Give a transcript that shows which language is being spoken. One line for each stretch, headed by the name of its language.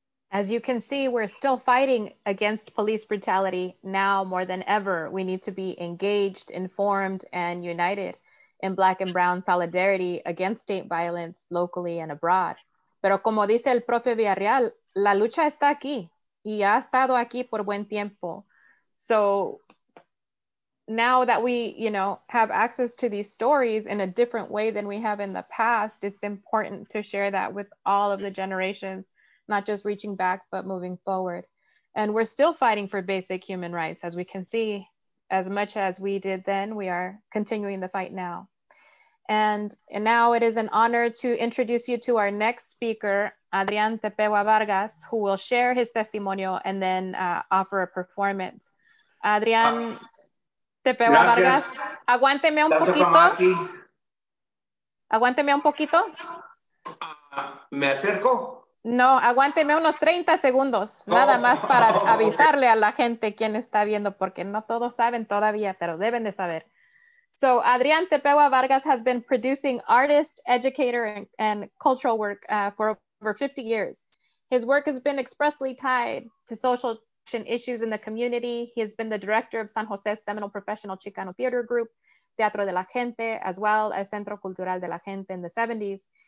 English: As you can see, we're still fighting against police brutality. Now more than ever, we need to be engaged, informed, and united in Black and Brown solidarity against state violence locally and abroad.
Spanish: Pero como dice el profe Villarreal, la lucha está aquí y ha estado aquí por buen tiempo.
English: So now that we, you know, have access to these stories in a different way than we have in the past, it's important to share that with all of the generations, not just reaching back, but moving forward. And we're still fighting for basic human rights, as we can see. As much as we did then, we are continuing the fight now. And now it is an honor to introduce you to our next speaker, Adrian Tepewa Vargas, who will share his testimonio and then offer a performance.
Spanish: Adrián Tepewa Vargas, aguánteme un poquito. Aguánteme un poquito. Me acerco. No, aguánteme unos 30 segundos, nada más para avisarle a la gente quién está viendo, porque no todos saben todavía, pero deben de saber.
English: So, Adrián Tepewa Vargas has been producing artist, educator, and cultural work for over 50 years. His work has been expressly tied to social issues in the community. He has been the director of San Jose's seminal professional Chicano theater group, Teatro de la Gente, as well as Centro Cultural de la Gente in the 70s.